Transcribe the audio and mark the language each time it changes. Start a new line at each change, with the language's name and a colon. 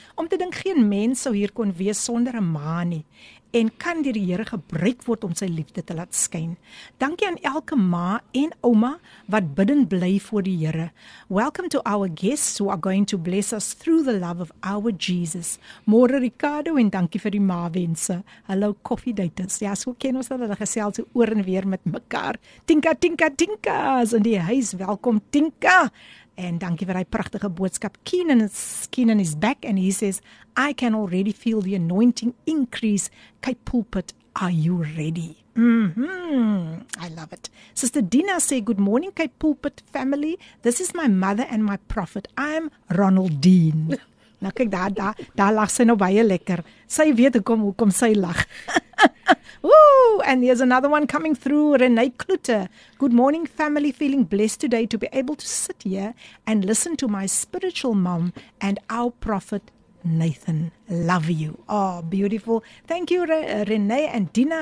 Afrikaans: Om te dink geen mens sou hier kon wees sonder 'n ma nie en kan deur die Here gebruik word om sy liefde te laat skyn. Dankie aan elke ma en ouma wat bidden bly voor die Here.
English: Welcome to our guests who are going to bless us through the love of our Jesus.
Afrikaans: More Ricardo en dankie vir die ma wense. Hallo koffiedaters. Ja, so ken ons dat hulle gesels oor en weer met mekaar. Tinka is in die huis. Welkom Tinka. En dankie vir hy pragtige boodskap.
English: Keenan is back and he says, I can already feel the anointing increase. Kate Pulpit, are you ready? I love it. Sister Dina say, good morning, Kate Pulpit family. This is my mother and my prophet. I'm Ronaldine.
Afrikaans: Nou kyk, daar lag sy nou baie lekker. Sy weet hoekom sy lag. Woo!
English: And there's another one coming through, Renee Kluter. Good morning, family. Feeling blessed today to be able to sit here and listen to my spiritual mom and our prophet, Nathan, love you. Oh, beautiful. Thank you, Renee and Dina.